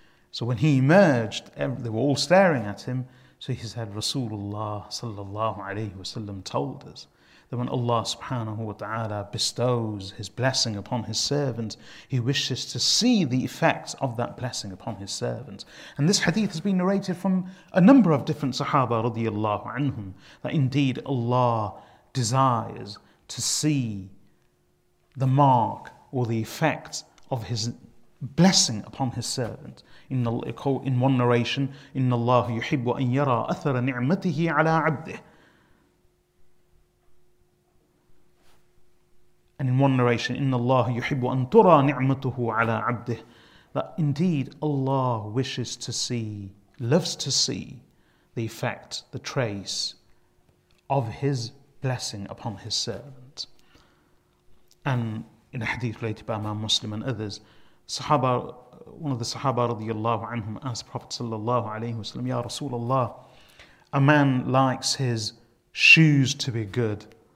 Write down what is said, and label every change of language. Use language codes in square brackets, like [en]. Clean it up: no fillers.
[en] So when he emerged, they were all staring at him. So he said, Rasulullah sallallahu alayhi wa sallam told us that when Allah subhanahu wa ta'ala bestows his blessing upon his servant, he wishes to see the effects of that blessing upon his servant. And this hadith has been narrated from a number of different sahaba radiallahu anhum, that indeed Allah desires to see the mark or the effect of his blessing upon his servant. In one narration, [ar] إن الله يحب أن يرى أثر نعمته على عبده. [en] And in one narration, [ar] إن الله يحب أن ترى نعمته على عبده. [en] That indeed Allah wishes to see, loves to see the effect, the trace of his blessing upon his servant. And in a hadith related by Imam Muslim and others, Sahaba, one of the Sahaba radiallahu anhum asked Prophet sallallahu alayhi wa sallam, Ya Rasulullah, a man likes his shoes to be good.